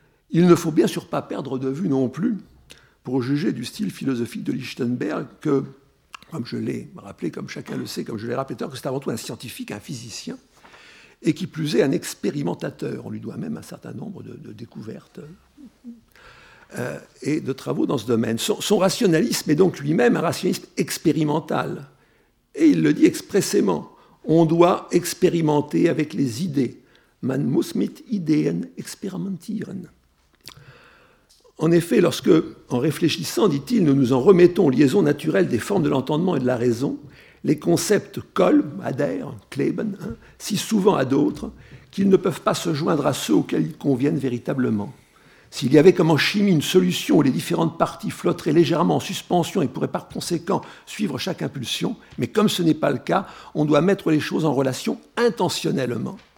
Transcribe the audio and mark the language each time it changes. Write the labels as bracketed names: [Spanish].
[French] Il ne faut bien sûr pas perdre de vue non plus, pour juger du style philosophique de Lichtenberg, que, comme je l'ai rappelé, comme chacun le sait, comme je l'ai rappelé tout à l'heure, que c'est avant tout un scientifique, un physicien, et qui plus est un expérimentateur. On lui doit même un certain nombre de découvertes et de travaux dans ce domaine. Son rationalisme est donc lui-même un rationalisme expérimental. Et il le dit expressément, on doit expérimenter avec les idées. [German] Man muss mit Ideen experimentieren. [French] En effet, lorsque, en réfléchissant, dit-il, nous nous en remettons aux liaisons naturelles des formes de l'entendement et de la raison, les concepts collent, adhèrent, kleben, hein, si souvent à d'autres, qu'ils ne peuvent pas se joindre à ceux auxquels ils conviennent véritablement. S'il y avait comme en chimie une solution où les différentes parties flotteraient légèrement en suspension et pourraient par conséquent suivre chaque impulsion, mais comme ce n'est pas le cas, on doit mettre les choses en relation intentionnellement.